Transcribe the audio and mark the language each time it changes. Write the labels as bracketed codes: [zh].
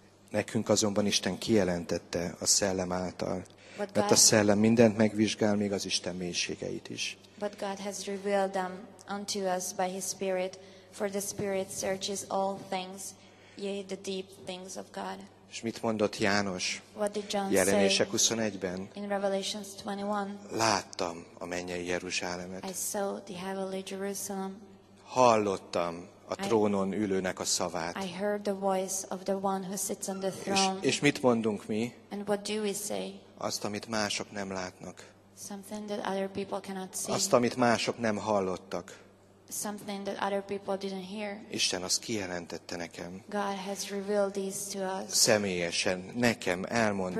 [hu] Nekünk azonban Isten kijelentette a szellem által. Mert a szellem mindent megvizsgál, még az Isten mélységeit is. [en] But God has revealed them unto us by his Spirit, for the Spirit searches all things, yea, the deep things of God. [hu] És mit mondott János? [en] What did John [hu] Jelenések [en] say? [hu] 21-ben. [en] In Revelations 21. [hu] Láttam a mennyei Jeruzsálemet. [en] I saw the heavenly Jerusalem. [hu] Hallottam a trónon ülőnek a szavát. [en] I heard the voice of the one who sits on the throne. [hu] És mit mondunk mi? [en] And what do we say? [hu] Azt, amit mások nem látnak. [en] Something that other people cannot see. [hu] Azt, amit mások nem hallottak. [en] Something that other people didn't hear. [hu] Isten azt kijelentette nekem. [en] God has revealed these to us. [hu] Személyesen nekem elmondta.